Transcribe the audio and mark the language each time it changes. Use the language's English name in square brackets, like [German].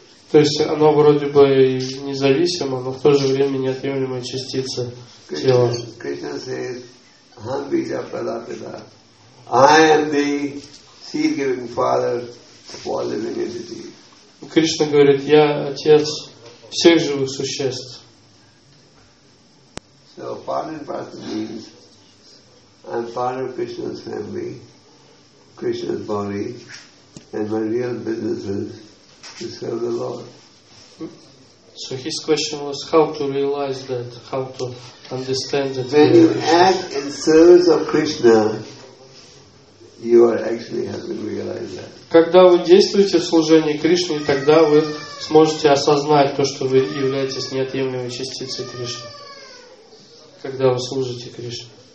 [Russian] То есть оно вроде бы независимо, но в то же время неотъемлемая частица тела. Кришна говорит, [Sanskrit] Aham Bija Pradapita. [English] I am the seed-giving father of all living entities. [Russian] Кришна говорит, я отец всех живых существ. [English] So part and parcel means I'm part of Krishna's family, Krishna's body, and my real business is to serve the Lord. So his question was how to realize that, how to understand that. When you act in service of Krishna, you are actually having to realize that. [Russian] Когда вы действуете в служении Кришне, тогда вы сможете осознать то, что вы являетесь неотъемлемой частицей Кришны. Когда вы служите Кришне.